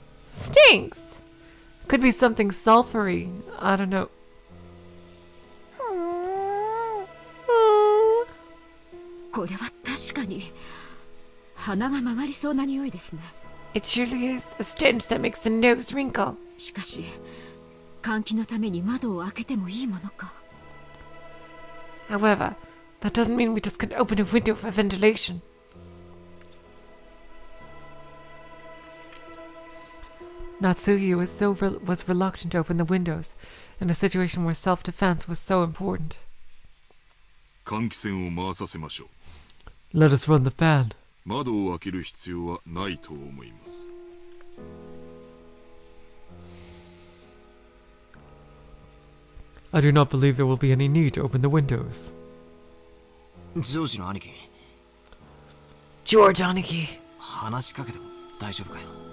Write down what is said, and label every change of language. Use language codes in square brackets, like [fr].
[en] Stinks! Could be something sulfury. I don't know. It surely is a stench that makes the nose wrinkle. [ja] しかし, 換気のために窓を開けてもいいものか? [en] However, that doesn't mean we just can open a window for ventilation. Natsuhi was reluctant to open the windows in a situation where self-defense was so important. [ja] 換気扇を回させましょう。 [en] Let us run the fan. [ja] 窓を開ける必要はないと思います。 [en] I do not believe there will be any need to open the windows. [ja] ジョージの兄貴。ジョージ兄貴。話しかけても大丈夫かよ?